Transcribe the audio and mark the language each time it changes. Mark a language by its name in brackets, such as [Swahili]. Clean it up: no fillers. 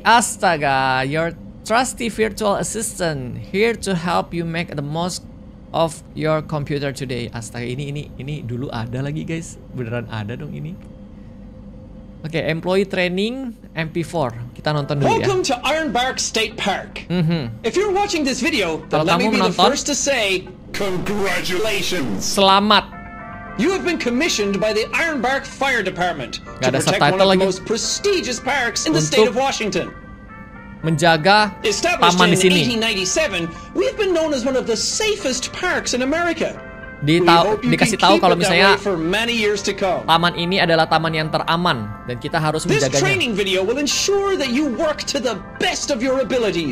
[English] Astaga, your trusty virtual assistant here to help you make the most of your computer today. [Indonesian] Astaga, ini dulu ada lagi guys. Beneran ada dong ini. Oke, okay, employee training MP4. Kita nonton dulu ya. [English] Welcome to Iron Bark State Park. Mm-hmm. If you're watching this video, let me be the first to say congratulations. [Indonesian] Selamat. [English] You have been commissioned by the Iron Bark Fire Department to protect one of the most prestigious parks in the state of Washington. [Indonesian] Menjaga taman di sini. [English] We've been known as one of the safest parks in America. [Indonesian] Dikasih tahu kalau misalnya taman ini adalah taman yang teraman dan kita harus menjaganya. [English] This training video will ensure that you work to the best of your abilities.